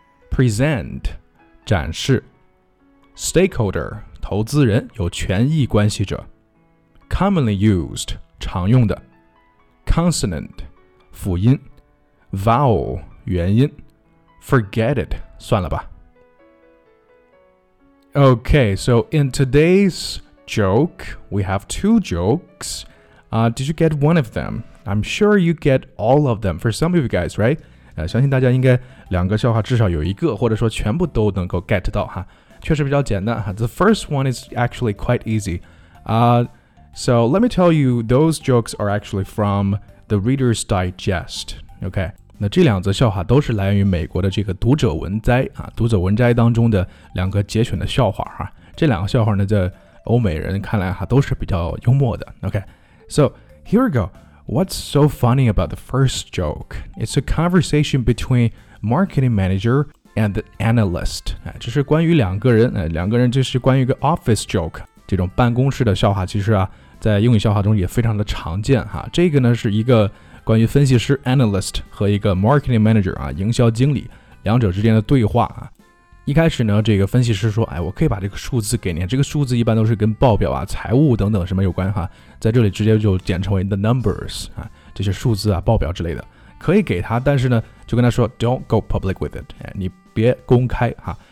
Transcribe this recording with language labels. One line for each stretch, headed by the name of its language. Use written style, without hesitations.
English: Present 展示 Stakeholder 投资人有权益关系者 Commonly used 常用的 Consonant 辅音 Vowel 元音 Forget it 算了吧 Okay, so in today's joke we have two jokesdid you get one of them? I'm sure you get all of them for some of you guys, right?
Chinese: 相信大家应该两个笑话至少有一个或者说全部都能够 get 到哈，确实比较简单哈。
English: The first one is actually quite easy. So let me tell you, those jokes are actually from the Reader's Digest. Okay,
Chinese: 那这两则笑话都是来源于美国的这个读者文摘啊，读者文摘当中的两个节选的笑话哈。这两个笑话呢，在欧美人看来哈都是比较幽默的。
English: Okay. So, here we go. What's so funny about the first joke? It's a conversation between marketing manager and the analyst.
Chinese: 这是关于两个人，两个人就是关于一个 office joke. 这种办公室的笑话其实啊，在英语笑话中也非常的常见哈。这个呢是一个关于分析师 analyst 和一个 marketing manager 啊，营销经理两者之间的对话啊。一开始呢，这个分析师说，哎，我可以把这个数字给你，这个数字一般都是跟报表啊、财务等等什么有关哈，在这里直接就简称为 the numbers 啊，这些数字啊、报表之类的，可以给他，但是呢，就跟他说
English: don't go public with it，
Chinese: 哎，你别公开哈。